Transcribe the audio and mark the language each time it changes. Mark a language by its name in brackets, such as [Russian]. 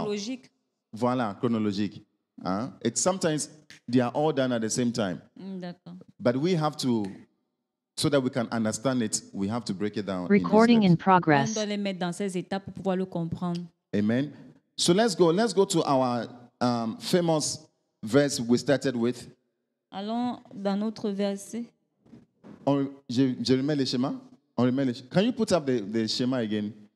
[French] Chronologique. Voilà, chronologique. Hein? [English] It's sometimes they are all done at the same time. [French] D'accord. [English] But we have to. So that we can understand it, we have to break it down. Recording in progress. [French] On doit les mettre dans ces étapes pour pouvoir le comprendre. [English] Amen. So let's go. Let's go to our famous verse we started with. [French] Allons dans notre verset. Je remets le schéma. [English] Can you put up the schéma again?